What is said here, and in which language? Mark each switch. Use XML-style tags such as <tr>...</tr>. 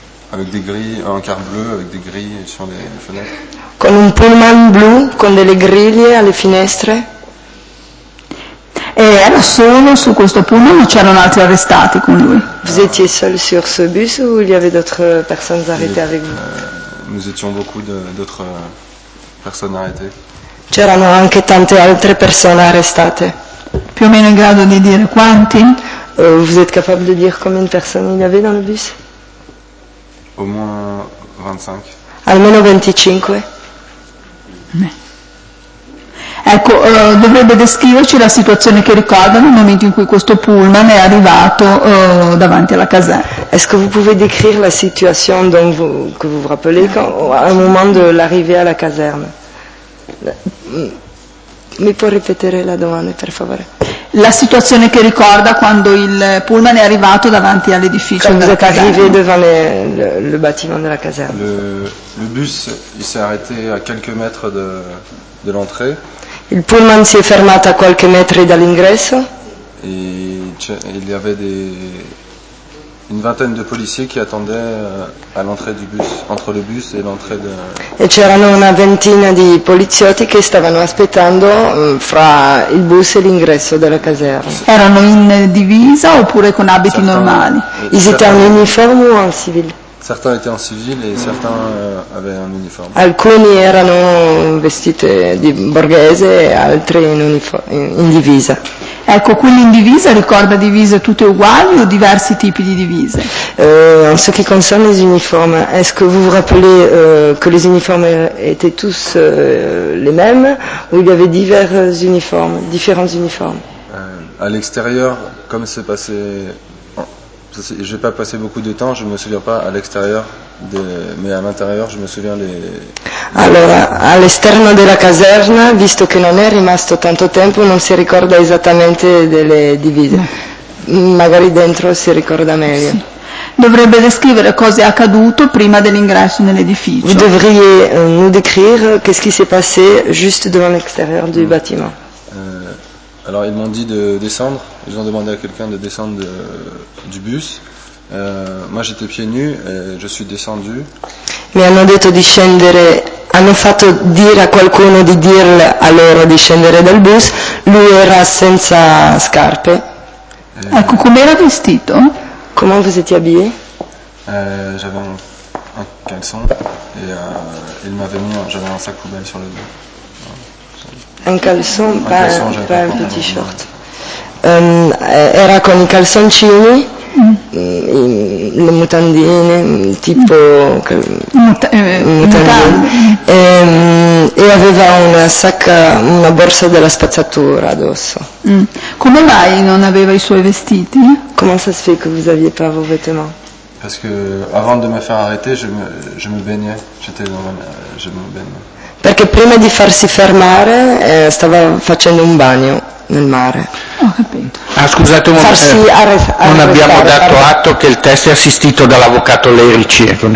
<fr>Avec des grilles, un car bleu avec des grilles sur les fenêtres.</fr> <it>Con un pullman blu con delle griglie alle finestre. E era solo su questo pullman o c'erano altri arrestati con lui?</it> <fr>Vous étiez seul sur ce bus ou il y avait d'autres personnes arrêtées avec vous? Nous étions beaucoup d'autres personnes arrêtées.</fr> <it>C'erano anche tante altre persone arrestate. Più o meno in grado di dire quanti?</it> <fr>Vous êtes capable de dire combien de personnes il y avait dans le bus? Au moins 25.</fr> <it>Almeno 25. Ecco, dovrebbe descriverci la situazione che ricorda nel momento in cui questo pullman è arrivato davanti alla caserma.</it> <fr>Est-ce que vous pouvez décrire la situation donc vous, que vous vous rappelez quand, au moment de l'arrivée à la caserne?</fr> <it>Mi può ripetere la domanda, per favore? La situazione che ricorda quando il pullman è arrivato davanti all'edificio quando della caserma. Quando è arrivato</it> <fr>devant le bâtiment</fr> <it>della caserma.</it> <fr>Le bus il s'est arrêté à quelques mètres de l'entrée.</fr> <it>Il pullman si è fermato a qualche metro dall'ingresso.</it> <fr>E il y avait une vingtaine de policiers qui attendaient à l'entrée du bus, entre le bus et l'entrée de...</fr> <it>E c'erano una ventina di poliziotti che stavano aspettando fra il bus e l'ingresso della caserma. Erano in divisa oppure con abiti certains, normali?</it> <fr>Ils étaient en uniforme ou en civil? Certains étaient en civil et certains avaient un uniforme.</fr> <it>Alcuni erano vestiti di borghese e altri in divisa. Ecco, quelli in divisa, ricorda divise tutte uguali o diversi tipi di divise?</it> <fr>En ce qui concerne les uniformes, est-ce que vous vous rappelez que les uniformes étaient tous les mêmes ou il y avait différents uniformes? À l'extérieur, comme c'est passé, je n'ai pas passé beaucoup de temps, je ne me souviens pas à l'extérieur. Mais à l'intérieur, je me souviens les...</fr> <it>Allora, all'esterno della caserna, visto che non è rimasto tanto tempo, non si ricorda esattamente delle divise. Magari dentro si ricorda meglio. Sì. Dovrebbe descrivere cosa è accaduto prima dell'ingresso nell'edificio.</it> <fr>Vous devriez nous décrire qu'est-ce qui s'est passé juste devant l'extérieur du bâtiment. Alors, ils m'ont dit de descendre. Ils ont demandé à quelqu'un de descendre du bus. Moi j'étais pieds nus et je suis descendu.</fr> <it>Mi hanno detto di scendere, hanno fatto dire a qualcuno di dirle a loro di scendere dal bus. Lui era senza scarpe. Ecco, com'era vestito?</it> <fr>Comment vous étiez habillé? J'avais un caleçon et il m'avait mis, j'avais un sac poubelle sur le dos. Un caleçon, pas un petit short.</fr> <it>Era con i calzoncini. Le mutandine tipo e aveva una sacca, una borsa della spazzatura addosso. Come mai non aveva i suoi vestiti? Come si fa che</it> <fr>vous aviez pas vos vêtements? Parce que avant de me faire arrêter, je me baignais. J'étais dans la, je me baignais.</fr> <it>Perché prima di farsi fermare stava facendo un bagno nel mare. Ho capito. Scusate un momento. Non abbiamo dato atto che il test è assistito dall'avvocato Lerici.</it>